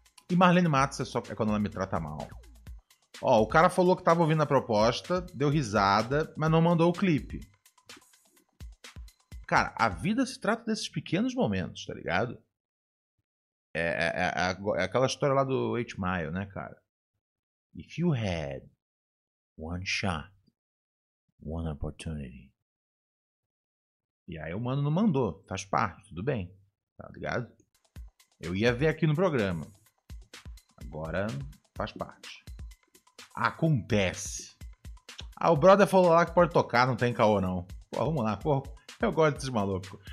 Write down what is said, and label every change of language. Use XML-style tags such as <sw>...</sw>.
<pt>E Marlene Matos é só é quando ela me trata mal. Ó, o cara falou que tava ouvindo a proposta, deu risada, mas não mandou o clipe. Cara, a vida se trata desses pequenos momentos, tá ligado? É aquela história lá do 8 Mile, né, cara?</pt> <en>If you had one shot, one opportunity.</en> <pt>E aí o mano não mandou, faz parte, tudo bem, tá ligado? Eu ia ver aqui no programa. Agora faz parte. Acontece. Ah, o brother falou lá que pode tocar, não tem caô não. Pô, vamos lá, pô. Eu gosto desses malucos.</pt>